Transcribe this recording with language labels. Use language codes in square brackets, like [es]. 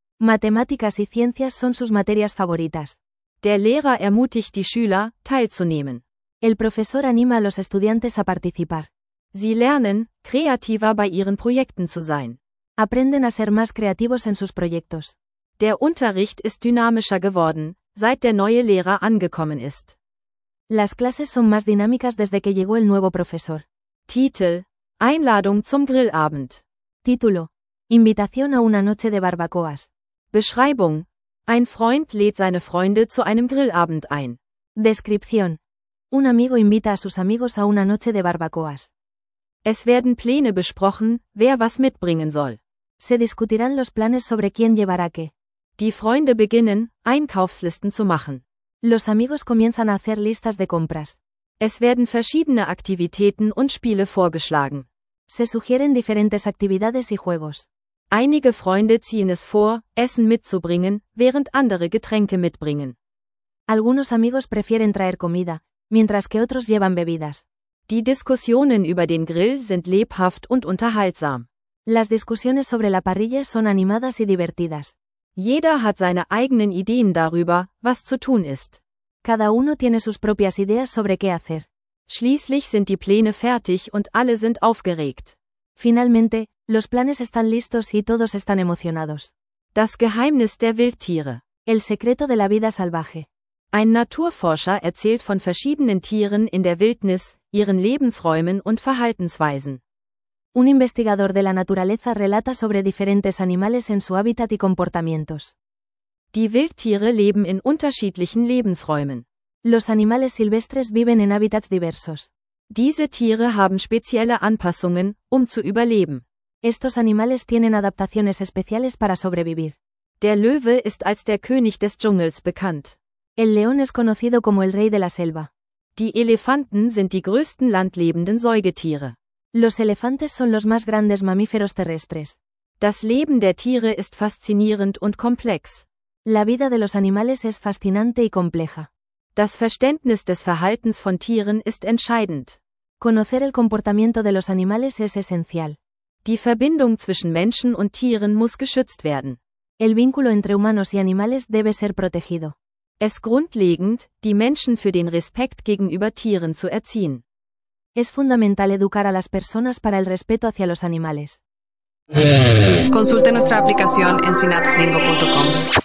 [es] Matemáticas y ciencias son sus materias favoritas. [de] Der Lehrer ermutigt die Schüler, teilzunehmen. [es] El profesor anima a los estudiantes a participar. [de] Sie lernen, kreativer bei ihren Projekten zu sein. [es] Aprenden a ser más creativos en sus proyectos. [de] Der Unterricht ist dynamischer geworden, seit der neue Lehrer angekommen ist. [es] Las clases son más dinámicas desde que llegó el nuevo profesor. [de] Titel: Einladung zum Grillabend. [es] Título: Invitación a una noche de barbacoas. [de] Beschreibung: Ein Freund lädt seine Freunde zu einem Grillabend ein. [es] Descripción: Un amigo invita a sus amigos a una noche de barbacoas. [de] Es werden Pläne besprochen, wer was mitbringen soll. [es] Se discutirán los planes sobre quién llevará qué. [de] Die Freunde beginnen, Einkaufslisten zu machen. [es] Los amigos comienzan a hacer listas de compras. [de] Es werden verschiedene Aktivitäten und Spiele vorgeschlagen. [es] Se sugieren diferentes actividades y juegos. [de] Einige Freunde ziehen es vor, Essen mitzubringen, während andere Getränke mitbringen. [es] Algunos amigos prefieren traer comida, mientras que otros llevan bebidas. [de] Die Diskussionen über den Grill sind lebhaft und unterhaltsam. [es] Las discusiones sobre la parrilla son animadas y divertidas. [de] Jeder hat seine eigenen Ideen darüber, was zu tun ist. [es] Cada uno tiene sus propias ideas sobre qué hacer. [de] Schließlich sind die Pläne fertig und alle sind aufgeregt. [es] Finalmente, los planes están listos y todos están emocionados. [de] Das Geheimnis der Wildtiere. [es] El secreto de la vida salvaje. [de] Ein Naturforscher erzählt von verschiedenen Tieren in der Wildnis, ihren Lebensräumen und Verhaltensweisen. [es] Un investigador de la naturaleza relata sobre diferentes animales en su hábitat y comportamientos. [de] Die Wildtiere leben in unterschiedlichen Lebensräumen. [es] Los animales silvestres viven en hábitats diversos. [de] Diese Tiere haben spezielle Anpassungen, um zu überleben. [es] Estos animales tienen adaptaciones especiales para sobrevivir. [de] Der Löwe ist als der König des Dschungels bekannt. [es] El león es conocido como el rey de la selva. [de] Die Elefanten sind die größten landlebenden Säugetiere. [es] Los elefantes son los más grandes mamíferos terrestres. [de] Das Leben der Tiere ist faszinierend und komplex. [es] La vida de los animales es fascinante y compleja. [de] Das Verständnis des Verhaltens von Tieren ist entscheidend. [es] Conocer el comportamiento de los animales es esencial. [de] Die Verbindung zwischen Menschen und Tieren muss geschützt werden. [es] El vínculo entre humanos y animales debe ser protegido. [de] Es grundlegend, die Menschen für den Respekt gegenüber Tieren zu erziehen. [es] Es fundamental educar a las personas para el respeto hacia los animales. Consulte nuestra aplicación en synapslingo.com.